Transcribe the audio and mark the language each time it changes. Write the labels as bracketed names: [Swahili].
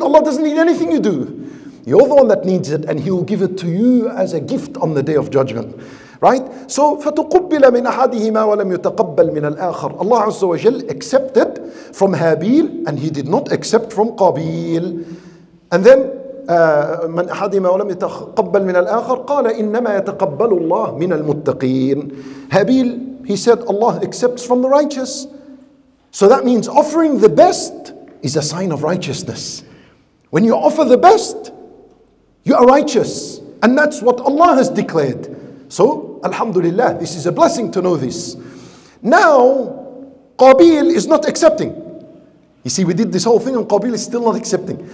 [English] Allah doesn't need anything you do. You're the one that needs it, and He will give it to you as a gift on the Day of Judgment. Right? So, [Arabic] فَتُقُبِّلَ مِنْ أَحَدِهِمَا وَلَمْ يُتَقَبَّلْ مِنَ الْآخَرِ [English] Allah Azza wa Jal accepted from Habil, and He did not accept from Qabil. And then, [Arabic] مَنْ أَحَدِهِمَا وَلَمْ يُتَقَبَّلْ مِنَ الْآخَرِ قَالَ إِنَّمَا يَتَقَبَّلُ اللَّهُ مِنَ الْمُتَّقِينَ [English] Habil, he said, Allah accepts from the righteous. So that means offering the best is a sign of righteousness. When you offer the best, you are righteous. And that's what Allah has declared. So, alhamdulillah, this is a blessing to know this. Now, Qabil is not accepting. You see, we did this whole thing and Qabil is still not accepting.